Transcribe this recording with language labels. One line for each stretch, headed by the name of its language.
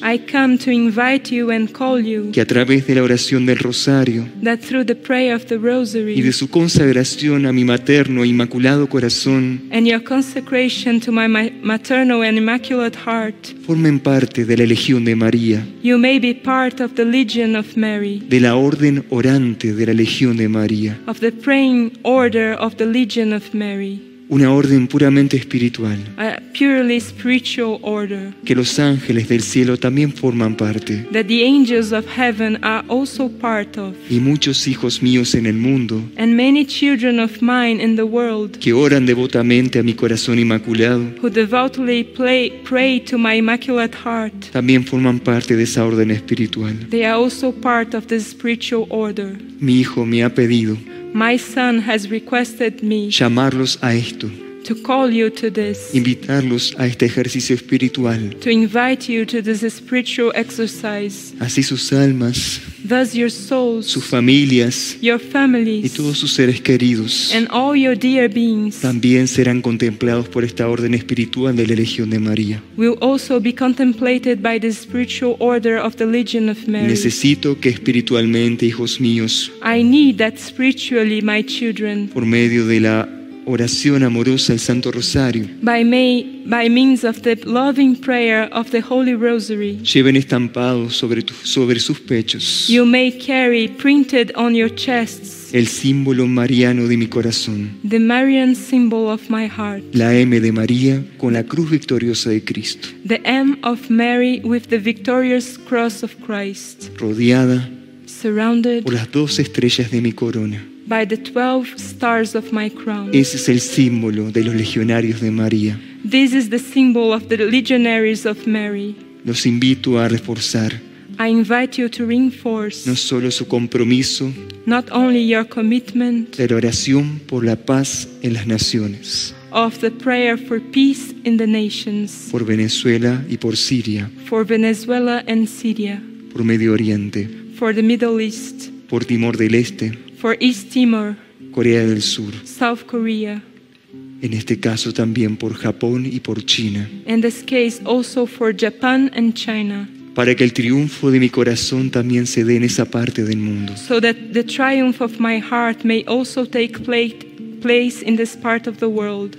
English: I come to invite you and call you,
Spanish: que a través de la oración del rosario,
English: that through the prayer of the rosary,
Spanish: y de su consagración a mi materno e inmaculado corazón,
English: and your consecration to my maternal and immaculate heart,
Spanish: formen parte de la legión de María,
English: you may be part of the legion of Mary,
Spanish: de la orden orante de la legión de María,
English: of the praying order of the legion of Mary,
Spanish: una orden puramente espiritual,
English: a purely spiritual order,
Spanish: que los ángeles del cielo también forman parte,
English: that the angels of heaven are also part of,
Spanish: y muchos hijos míos en el mundo,
English: and many children of mine in the world,
Spanish: que oran devotamente a mi corazón inmaculado,
English: who devoutly pray to my immaculate heart,
Spanish: también forman parte de esa orden espiritual,
English: they are also part of this spiritual order.
Spanish: Mi hijo me ha pedido,
English: my son has requested me,
Spanish: llamarlos a esto,
English: to call you to this,
Spanish: invitarlos a este ejercicio espiritual,
English: to invite you to this spiritual exercise,
Spanish: así sus almas,
English: thus your souls,
Spanish: sus familias,
English: your families,
Spanish: y todos sus seres queridos,
English: and all your dear beings,
Spanish: también serán contemplados por esta orden espiritual de la Legión de María,
English: will also be contemplated by the spiritual order of the Legion of Mary.
Spanish: Necesito que espiritualmente, hijos míos,
English: I need that spiritually, my children,
Spanish: por medio de la oración amorosa del Santo Rosario,
English: by means of the loving prayer of the Holy Rosary,
Spanish: lleven estampado sobre sus pechos,
English: you may carry printed on your chests,
Spanish: el símbolo mariano de mi corazón,
English: the Marian symbol of my heart,
Spanish: la M de María con la cruz victoriosa de Cristo,
English: the M of Mary with the victorious cross of Christ,
Spanish: rodeada,
English: surrounded,
Spanish: por las 12 estrellas de mi corona,
English: by the 12 stars of my crown.
Spanish: Ese es el símbolo de los legionarios de María.
English: This is the symbol of the legionaries of Mary.
Spanish: Los invito a reforzar,
English: I invite you to reinforce,
Spanish: no solo su compromiso,
English: not only your commitment,
Spanish: de la oración por la paz en las naciones,
English: of the prayer for peace in the nations,
Spanish: por Venezuela y por Siria,
English: for Venezuela and Syria,
Spanish: por Medio Oriente,
English: for the Middle East,
Spanish: por Timor del Este,
English: for East Timor,
Spanish: Corea del Sur,
English: South Korea,
Spanish: en este caso también por Japón y por China,
English: in this case also for Japan and China,
Spanish: para que el triunfo de mi corazón también se dé en esa parte del mundo,
English: so that the triumph of my heart may also take place in this part of the world,